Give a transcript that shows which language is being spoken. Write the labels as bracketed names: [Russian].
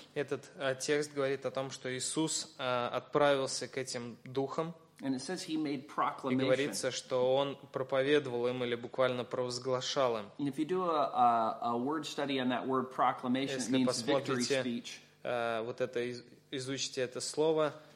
[Russian] Этот текст говорит о том, что Иисус отправился к этим духам. [English] And it says he made proclamation. [Russian] И говорится, что он проповедовал им или буквально провозглашал им. [English] And if you do a word study on that word proclamation, it means victory speech. [Russian] Вот это изучите это слово.